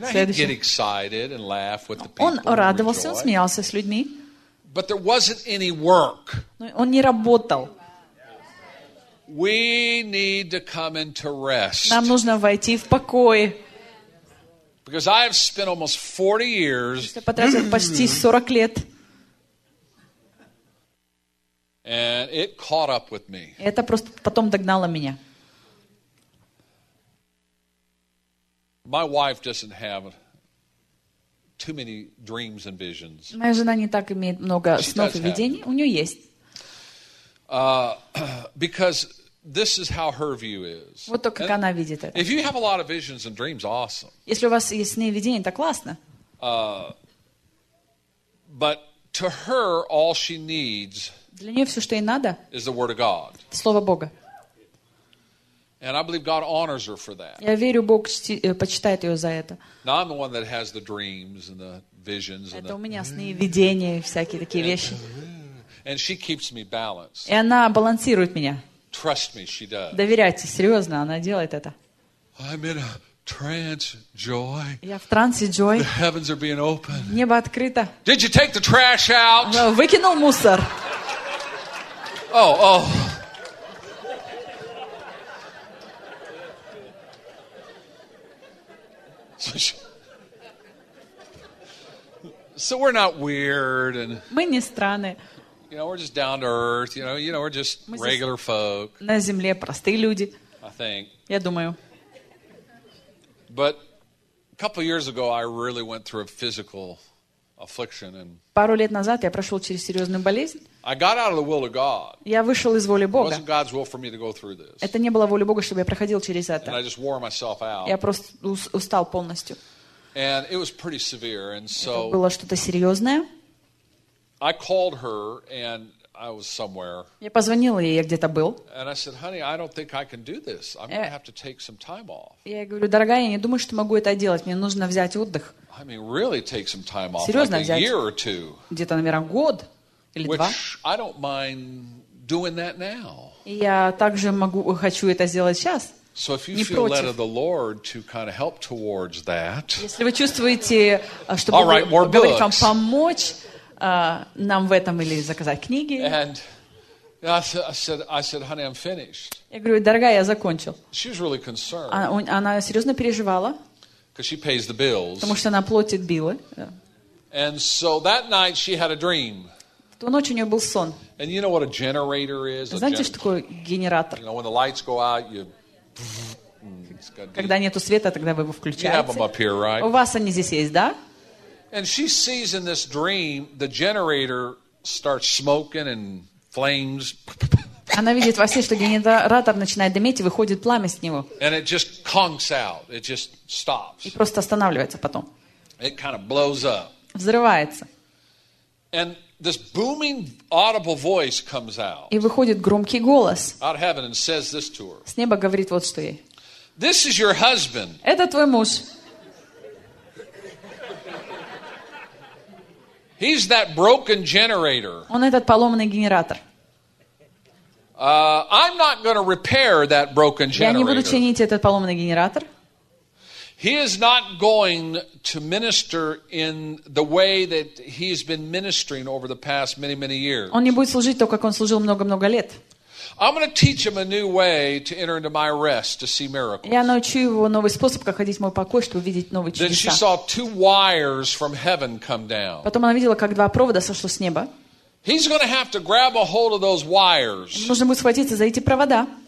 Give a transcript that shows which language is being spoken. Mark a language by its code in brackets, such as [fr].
[en] Now, he'd get excited and laugh with the people. [ru] Он радовался, он смеялся с людьми. [en] But there wasn't any work. [ru] Он не работал. [en] We need to come into rest. [ru] Нам нужно войти в покой. [en] Because I have spent almost 40 years. [ru] Я потратил почти 40 лет. [en] And it caught up with me. [ru] Это просто потом догнало меня. [en] My wife doesn't have too many dreams and visions. [ru] Моя жена не так имеет много снов и видений. У нее есть. [en] Because this is how her view is. [ru] Вот то, как она видит это. [en] If you have a lot of visions and dreams, awesome. [ru] Если у вас есть сны и видения, это классно. [en] But to her, all she needs. [ru] Для нее все, что ей надо. [en] Is the word of God. [ru] Слово Бога. [en] And I believe God honors her for that. [ru] Я верю, Бог почитает ее за это. [en] Now I'm the one that has the dreams and the visions. [ru] Это у меня сны и видения, всякие такие вещи. [en] And she keeps me balanced. [ru] И она балансирует меня. [en] Trust me, she does. [ru] Доверяйте, серьезно, она делает это. [en] I'm in a trance, joy. [ru] Я в трансе, joy. [en] The heavens are being opened. [ru] Небо открыто. [en] Did you take the trash out? [ru] Выкинул мусор. Oh. [en] So we're not weird and. [ru] Мы не страны. [en] You know, we're just down to earth. You know, we're just regular folk. [ru] На земле простые люди. [en] I think. [ru] Я думаю. [en] But a couple years ago, I really went through a physical affliction and. [ru] Пару лет назад я прошел через серьезную болезнь. [en] I got out of the will of God. [ru] Я вышел из воли Бога. [en] It wasn't God's will for me to go through this. [ru] Это не было воли Бога, чтобы я проходил через это. [en] And I just wore myself out. [ru] Я просто устал полностью. [en] And it was pretty severe, and so [ru] это было что-то серьезное. [en] I called her, and I was somewhere. [ru] Я позвонил ей, я где-то был. [en] And I said, honey, I don't think I can do this. I'm going to have to take some time off. [ru] Я говорю, дорогая, я не думаю, что могу это делать. Мне нужно взять отдых. [en] I mean, really take some time off. [ru] Серьезно, [en] like a year or two. [ru] Где-то, наверное, год или [en] which [ru] два. [en] Which I don't mind doing that now. [ru] Я также могу, хочу это сделать сейчас. [en] So if you feel led of the Lord to kind of help towards that. [ru] Если вы чувствуете, чтобы [en] all right, more books. [ru] Вам помочь нам в этом или заказать книги. [en] And I said, honey, I'm finished. [ru] Я говорю, дорогая, я закончил. [en] She was really concerned. [ru] Она серьезно переживала. [en] Because she pays the bills. [ru] Потому что она платит биллы. [en] And so that night she had a dream. [ru] Ту ночь у нее был сон. [en] And you know what a generator is? [ru] Знаете, что такое генератор? [en] You know, when the lights go out, you [ru] когда нету света, тогда вы его включаете. [en] You have them up here, right? [ru] У вас они здесь есть, да? [en] And she sees in this dream the generator starts smoking and flames. [ru] Она видит во сне, что генератор начинает дымить и выходит пламя с него. [en] And it just conks out. It just stops. [ru] И просто останавливается потом. [en] It kind of blows up. [ru] Взрывается. [en] And this booming audible voice comes out. [ru] И выходит громкий голос. [en] Out of heaven and says this to her. [ru] С неба говорит вот что ей. [en] This is your husband. [ru] Это твой муж. [en] He's that broken generator. [ru] Он этот поломанный генератор. [en] I'm not going to repair that broken generator. [ru] Я не буду чинить этот поломанный генератор. [en] He is not going to minister in the way that he has been ministering over the past many, many years. [ru] Он не будет служить то, как он служил много-много лет. [en] I'm going to teach him a new way to enter into my rest to see miracles. [ru] Я научу его новый способ, как ходить в мой покой, чтобы видеть новые чудеса. [en] Then she saw two wires from heaven come down. [ru] Потом она видела, как два провода сошло с неба. [en] He's going to have to grab a hold of those wires. [ru] Нужно будет схватиться за эти провода.